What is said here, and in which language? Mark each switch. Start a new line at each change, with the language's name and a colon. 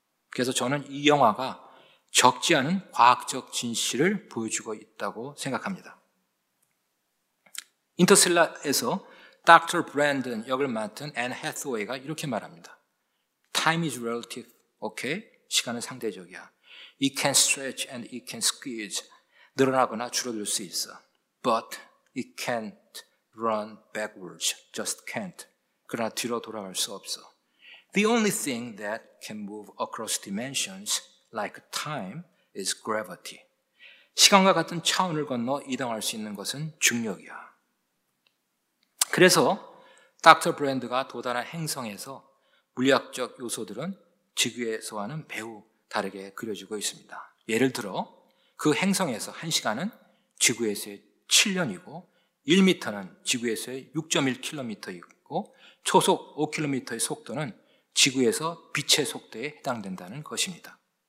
Korean: 그래서 저는 이 영화가 적지 않은 과학적 진실을 보여주고 있다고 생각합니다. 인터스텔라에서 닥터 브랜든 역을 맡은 앤 해서웨이가 이렇게 말합니다.
English: Time is relative, okay?
Korean: 시간은 상대적이야.
English: It can stretch and it can squeeze.
Korean: 늘어나거나 줄어들 수 있어.
English: But it can't run backwards, just can't.
Korean: 그러나 뒤로 돌아갈 수 없어.
English: The only thing that can move across dimensions like time is gravity.
Korean: 시간과 같은 차원을 건너 이동할 수 있는 것은 중력이야. 그래서 닥터 브랜드가 도달한 행성에서 물리학적 요소들은 지구에서와는 매우 다르게 그려지고 있습니다. 예를 들어 그 행성에서 한 시간은 지구에서의 7년이고 1m는 지구에서의 6.1km이고 초속 5km의 속도는 지구에서 빛의 속도에 해당된다는 것입니다.